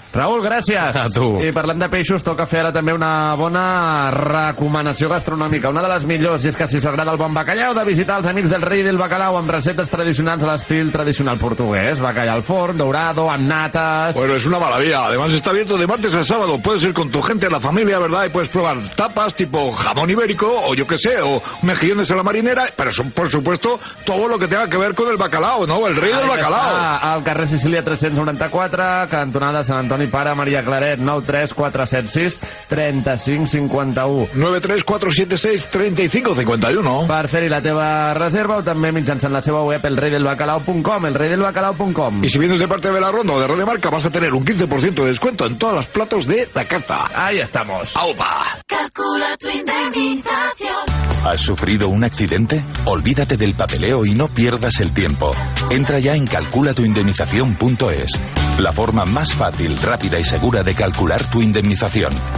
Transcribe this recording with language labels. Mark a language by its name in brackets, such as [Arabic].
[Catalan] Raül, gràcies. A tu. I parlant de peixos, toca fer ara també una bona recomanació gastronòmica. Una de les millors, i és que si us agrada el bon bacallà, heu de visitar els Amics del Rei del Bacalau amb receptes tradicionals a l'estil tradicional portuguès. Bacallà al forn, dourado, amb nates... [Spanish] Bueno, es una maravilla. Además, está abierto de martes a sábado. Puedes ir con tu gente, la familia, ¿verdad? Y puedes probar tapas tipo jamón ibérico o yo qué sé, o mejillones a la marinera, pero son, por supuesto, todo lo que tenga que ver con el bacalao, ¿no? El rei del bacalao. [Catalan] Al carrer Sicília 394, cantonada Sant Antoni Pare Maria Claret, 93476-3551. 93476-3551. Per fer-hi la teva reserva o també mitjançant la seva web, elreidelbacalao.com, elreidelbacalao.com. [Spanish] Y si vienes de parte de la Ronda o de Radio Marca, vas a tener un 15% de descuento en todas las platos de la carta. Ahí estamos. ¡Aupa! Calcula tu indemnización. ¿Has sufrido un accidente? Olvídate del papeleo y no pierdas el tiempo. Entra ya en calculatuindemnización.es, la forma más fácil, rápida y segura de calcular tu indemnización.